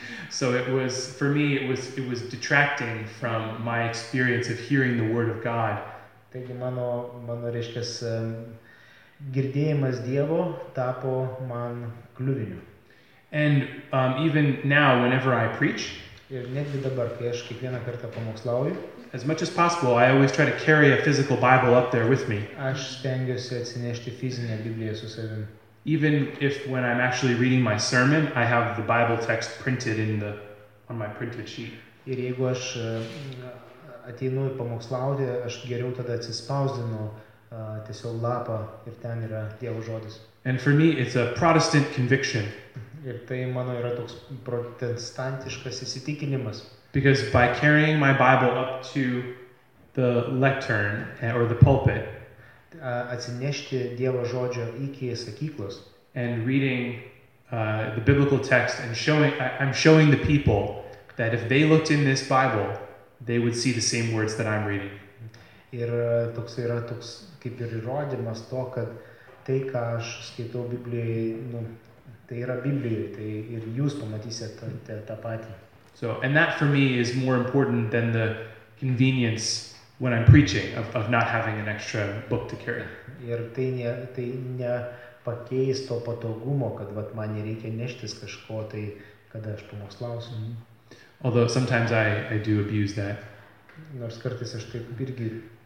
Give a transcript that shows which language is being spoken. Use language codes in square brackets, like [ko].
[en] So it was, for me, it was detracting from my experience of hearing the word of God. [lt] Taigi mano reiškias girdėjimas Dievo tapo man kliuviniu. [en] And even now, whenever I preach, [lt] ir netgi dabar, kai aš kiekvieną kartą pamokslauju, [en] as much as possible, I always try to carry a physical Bible up there with me. [lt] Aš stengiuosi atsinešti fizinę Bibliją su savimi. [en] Even if when I'm actually reading my sermon, I have the Bible text printed on my printed sheet. [lt] Ir jeigu aš ateinu pamokslauti, aš geriau tada atsispausdinu tiesiog lapą ir ten yra Dievo žodis. [en] And for me, it's a Protestant conviction. [lt] Ir tai mano yra toks protestantiškas įsitikinimas. [en] Because by carrying my Bible up to the lectern or the pulpit, [lt] atsinešti Dievo žodžio iki sakyklos, [en] and reading the biblical text and showing the people that if they looked in this Bible, they would see the same words that I'm reading. [lt] Ir toks yra toks kaip ir įrodymas to, kad tai, ką aš skaitau Biblijoje, nu, tai yra Biblijoje, tai ir jūs pamatysite tą patį. [en] So, and that for me is more important than the convenience when I'm preaching of not having an extra book to carry. [lt] Ir tai ne pakeis to patogumo, kad vat man nereikia neštis kažko, tai kada aš pamokslausiu. Mm-hmm. [en] Although sometimes I do abuse that. [lt] Nors kartais aš taip irgi